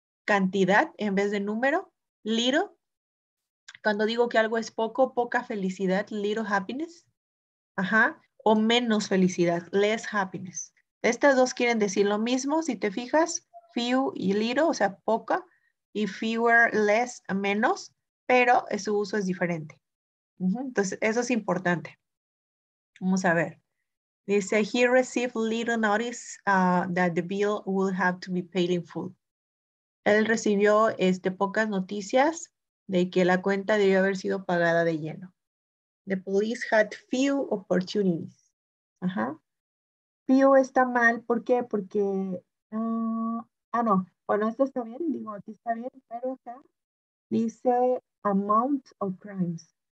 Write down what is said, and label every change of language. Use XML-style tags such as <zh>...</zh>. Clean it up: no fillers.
<es>cantidad en vez de número, little. Cuando digo que algo es poco, poca felicidad,</es> <en>little happiness.</en> <es>Ajá. O menos felicidad,</es> <en>less happiness.</en> <es>Estas dos quieren decir lo mismo, si te fijas, few y little, o sea, poca, y fewer, less, menos, pero su uso es diferente. Entonces, eso es importante. Vamos a ver. Dice,</es> <en>he received little notice that the bill will have to be paid in full.</en> <es>Él recibió pocas noticias de que la cuenta debió haber sido pagada de lleno.</es> <en>The police had few opportunities.</en> <es>Ajá. Few está mal, ¿por qué? Porque, no. Bueno, esto está bien, digo, aquí está bien, pero acá dice</es> <en>amount of crimes.</en>